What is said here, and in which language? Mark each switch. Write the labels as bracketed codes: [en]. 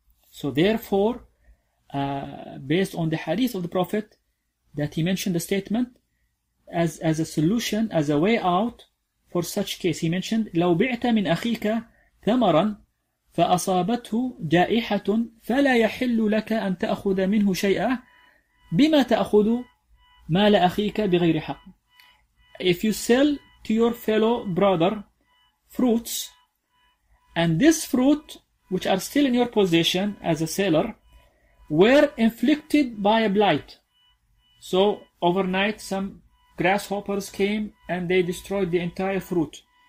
[en] So therefore, based on the hadith of the Prophet, that he mentioned the statement as a solution, as a way out for such case. He mentioned, [ar] لو بعت من أخيك ثمرا فأصابته جائحة فلا يحل لك أن تأخذ منه شيئا بما تأخذ مال أخيك بغير حق. [en] If you sell to your fellow brother fruits, and this fruit, which are still in your possession as a seller, were inflicted by a blight. So overnight some grasshoppers came and they destroyed the entire fruit.